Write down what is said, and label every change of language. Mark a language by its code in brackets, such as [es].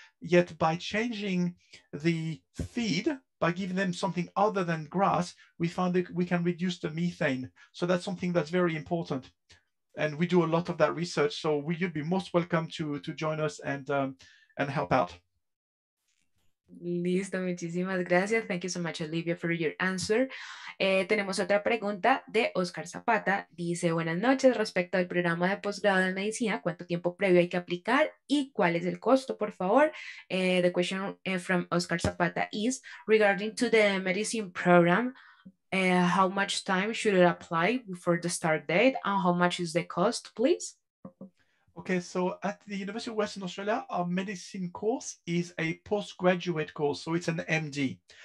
[en] Yet by changing the feed, by giving them something other than grass, we found that we can reduce the methane. So that's something that's very important. And we do a lot of that research. So you'd be most welcome to join us and help out. [es] Listo, muchísimas gracias. [en] Thank you so much, Olivia, for your answer. [es] Tenemos otra pregunta de Oscar Zapata. Dice, buenas noches, respecto al programa de posgrado de medicina, ¿cuánto tiempo previo hay que aplicar y cuál es el costo, por favor? [en] The question from Oscar Zapata is, regarding to the medicine program, how much time should it apply before the start date and how much is the cost, please? Okay, so at the University of Western Australia, our medicine course is a postgraduate course, so it's an MD.